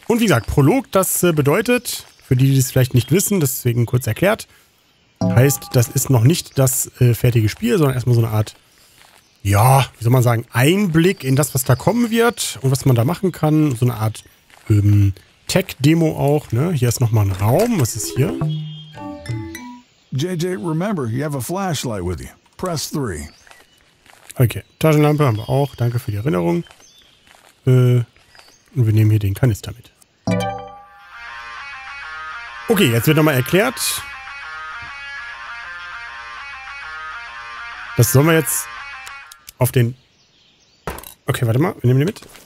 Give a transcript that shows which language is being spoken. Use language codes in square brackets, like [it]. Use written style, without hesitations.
[de] Und wie gesagt, Prolog, das bedeutet, für die, die es vielleicht nicht wissen, deswegen kurz erklärt, heißt, das ist noch nicht das fertige Spiel, sondern erstmal so eine Art, ja, wie soll man sagen, Einblick in das, was da kommen wird und was man da machen kann. So eine Art Tech-Demo auch, ne? Hier ist nochmal ein Raum, was ist hier? [en] JJ, remember, you have a flashlight with you. Press 3. [de] Okay, Taschenlampe haben wir auch. Danke für die Erinnerung. Und wir nehmen hier den Kanister mit. Okay, jetzt wird nochmal erklärt. Das sollen wir jetzt auf den... Okay, warte mal, wir nehmen den mit.